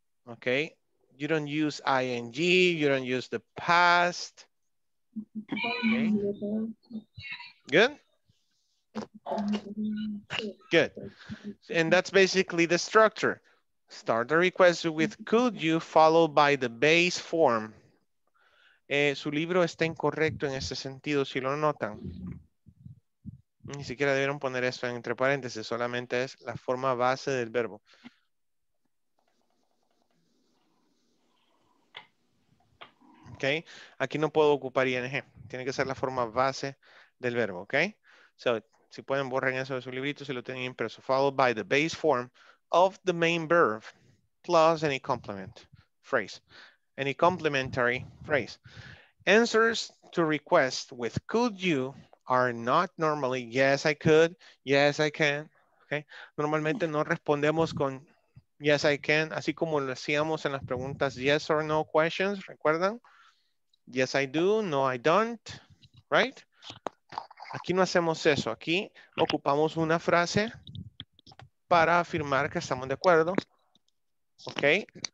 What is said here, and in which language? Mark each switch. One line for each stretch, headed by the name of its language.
English: Okay, you don't use ing, you don't use the past. Okay. Good. And that's basically the structure. Start the request with could you, followed by the base form.
Spanish: Su libro está incorrecto en ese sentido, si lo notan. Ni siquiera debieron poner eso entre paréntesis, solamente es la forma base del verbo. Okay. Aquí no puedo ocupar ING. Tiene que ser la forma base del verbo,
English: okay? So,
Spanish: si pueden borren eso de su librito, si lo tienen impreso,
English: followed by the base form of the main verb plus any complement phrase, any complementary phrase. Answers to request with could you are not normally yes, I could, yes, I can, okay?
Spanish: Normalmente no respondemos con yes, I can, así como lo hacíamos en las preguntas yes or no questions, ¿recuerdan?
English: Yes, I do, no, I don't, right?
Spanish: Aquí no hacemos eso, aquí ocupamos una frase para afirmar que estamos de acuerdo, ok?